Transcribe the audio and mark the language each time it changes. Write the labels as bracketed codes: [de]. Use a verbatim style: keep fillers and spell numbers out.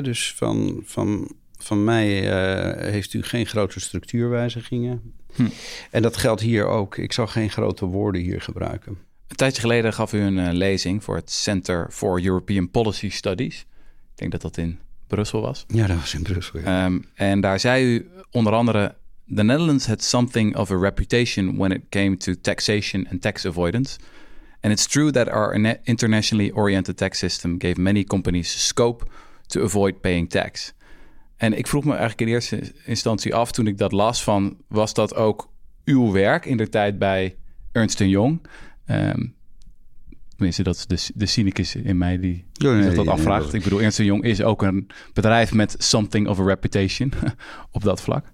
[nl] Dus van, van, van mij uh, heeft u geen grote structuurwijzigingen. Hm. En dat geldt hier ook. Ik zal geen grote woorden hier gebruiken. Een tijdje geleden gaf u een uh, lezing voor het Center for European Policy Studies. Ik denk dat dat in Brussel was. Ja, dat was in Brussel. Ja. Um, en daar zei u onder andere: [en] The Netherlands had something of a reputation when it came to taxation and tax avoidance. And it's true that our internationally oriented tax system gave many companies scope to avoid paying tax. [nl] En ik vroeg me eigenlijk in eerste instantie af, toen ik dat las van, was dat ook uw werk in de tijd bij Ernst en Young? Um, tenminste, dat is de, de cynicus in mij die nee, nee, dat, dat nee, afvraagt. Nee, nee. Ik bedoel, Ernst en Young is ook een bedrijf met [en] something of a reputation [nl] op dat vlak.